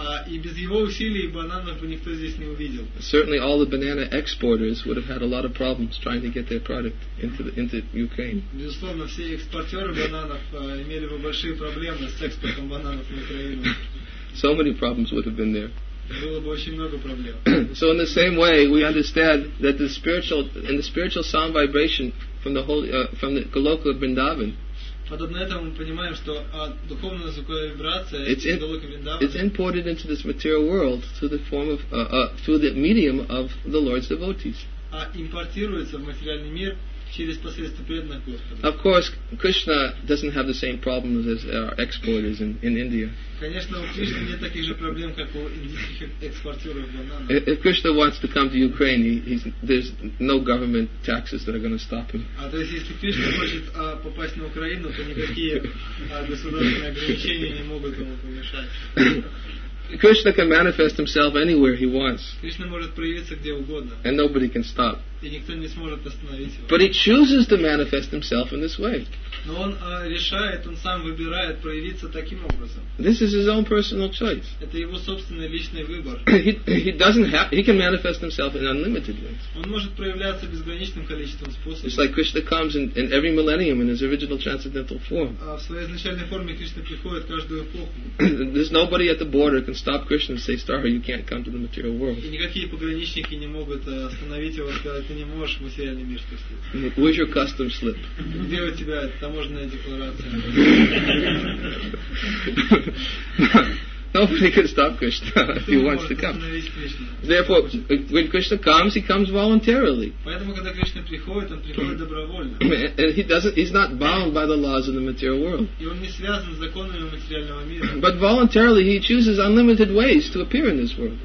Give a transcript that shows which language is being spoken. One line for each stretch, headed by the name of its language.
Russian: И без его усилий бананов бы никто здесь не увидел.
English: Certainly all the banana exporters would have had a lot of problems trying to get their product into Ukraine.
Russian: Безусловно, все экспортеры бананов имели бы большие проблемы с экспортом бананов в Украину.
English: So many problems would have been there.
Russian: Было бы очень много проблем.
English: So in the same way, we understand that the spiritual sound vibration from the holy from the Goloka of Vrindavan.
Russian: Подобно этому мы понимаем, что духовная звуковая вибрация из Голоки Вриндавана.
English: It's imported into this material world through the form of through the medium of the Lord's devotees.
Russian: А импортируется в материальный мир через посредство преданных Господа.
English: Of course, Krishna doesn't have the same problems as our exporters in India.
Russian: Конечно, у Кришны нет таких же проблем, как у индийских экспортеров бананов.
English: If Krishna wants to come to Ukraine, there's no government taxes that are going to stop him.
Russian: А то есть, если Кришна хочет попасть на Украину, то никакие государственные ограничения не могут ему помешать.
English: Krishna can manifest himself anywhere he wants.
Russian: Кришна может проявиться где угодно.
English: And nobody can stop.
Russian: И никто не сможет остановить его.
English: But he chooses to manifest himself in this way.
Russian: Но он решает, он сам выбирает проявиться таким образом.
English: This is his own personal choice.
Russian: Это его собственный личный выбор.
English: He can manifest himself in unlimited ways.
Russian: Он может проявляться безграничным количеством способов.
English: It's like Krishna comes in every millennium in his original transcendental form.
Russian: В своей изначальной форме Кришна приходит каждую эпоху.
English: There's nobody at the border can stop Krishna and say, "Star, you can't come to the material world."
Russian: И никакие пограничники не могут остановить его, сказать, ты не можешь в материальный мир вступить.
English: Where's your custom slip?
Russian: Где у тебя таможенная декларация.
English: Nobody can stop Krishna if he wants to come. Therefore, when Krishna comes, he comes voluntarily.
Russian: Поэтому, когда Кришна приходит, он приходит добровольно.
English: And he's not bound by the laws of the material world.
Russian: И он не связан с законами материального мира.
English: But voluntarily, he chooses unlimited ways to appear in this world.